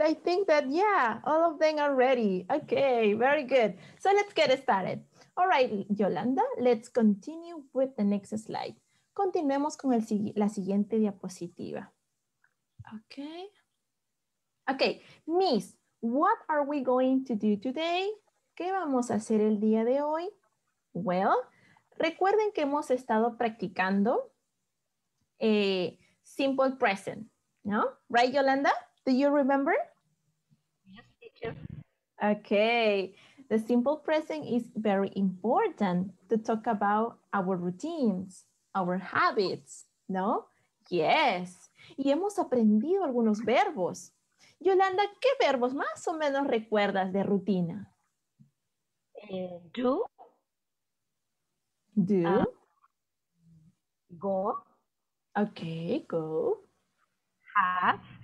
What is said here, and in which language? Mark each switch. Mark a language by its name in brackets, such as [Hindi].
[English] I think that, yeah, all of them are ready. Okay, very good. So let's get started. All right, Yolanda, let's continue with the next slide. [Spanish] Continuemos con la siguiente diapositiva. Okay. [English] Okay, Miss, what are we going to do today? [Spanish] ¿Qué vamos a hacer el día de hoy? Well, recuerden que hemos estado practicando. [English] Simple present, ¿no? Right, Yolanda? Do you remember? Yes, teacher. Okay. The simple present is very important to talk about our routines, our habits, ¿no? [Spanish] Yes. Y hemos aprendido algunos verbos. Yolanda, ¿qué verbos más o menos recuerdas de rutina? [English] Do. Do. Go. Okay, go. Have.